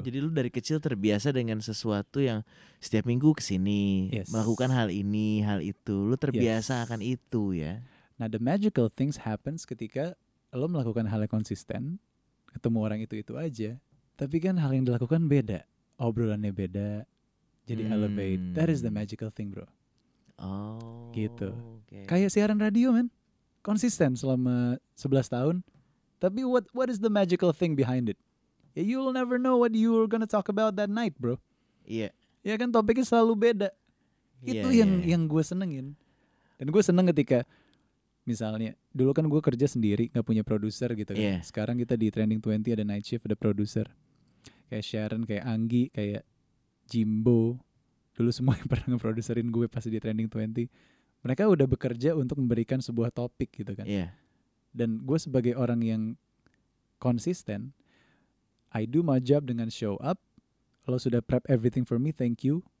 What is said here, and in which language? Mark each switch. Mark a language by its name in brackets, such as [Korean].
[Indonesian] Jadi lu dari kecil terbiasa dengan sesuatu yang setiap minggu kesini, melakukan hal ini, hal itu. Lu terbiasa akan itu ya. Nah, [English] the magical things happens [Indonesian] ketika lu melakukan hal yang konsisten, ketemu orang itu-itu aja. Tapi kan hal yang dilakukan beda, obrolannya beda, jadi elevate. [English] That is the magical thing, bro. [Indonesian] Gitu. [English] Okay. [Indonesian] Kayak siaran radio, man. Konsisten selama 11 tahun. [English] Tapi what is the magical thing behind it? You'll never know what you were gonna talk about that night, bro. [Indonesian] Iya. [English] Yeah. [Indonesian] Ya kan topiknya selalu beda. Itu yang gue senengin. Dan gue seneng ketika misalnya dulu kan gue kerja sendiri, gak punya produser gitu kan. [English] Yeah. [Indonesian] Sekarang kita di Trending 20 ada night shift, ada produser. Kayak Sharon, kayak Anggi, kayak Jimbo. Dulu semua yang pernah nge-produserin gue pas di Trending 20. Mereka udah bekerja untuk memberikan sebuah topik gitu kan. [English] Yeah. [Indonesian] Dan gue sebagai orang yang konsisten, [English] I do my job [Indonesian] dengan show up. Lo sudah [English] prep everything for me, thank you.